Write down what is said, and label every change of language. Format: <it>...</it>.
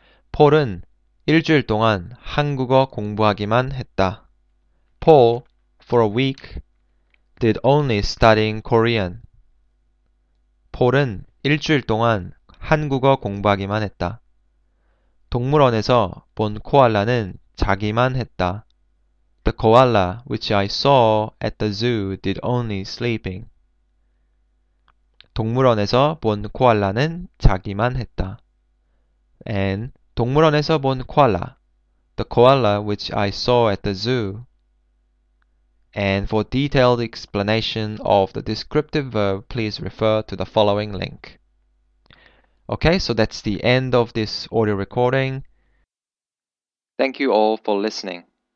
<ko>폴은 일주일 동안 한국어 공부하기만 했다.</ko> <en>Paul, for a week, did only studying Korean.</en> <ko>폴은 일주일 동안 한국어 공부하기만 했다. 동물원에서 본 코알라는 자기만 했다.</ko> <en>The koala, which I saw at the zoo, did only sleeping.</en> <ko>동물원에서 본 코알라는 자기만 했다. And 동물원에서 본 코알라.</ko> <en>The koala, which I saw at the zoo. And for detailed explanation of the descriptive verb, please refer to the following link. Okay, so that's the end of this audio recording. Thank you all for listening.</en>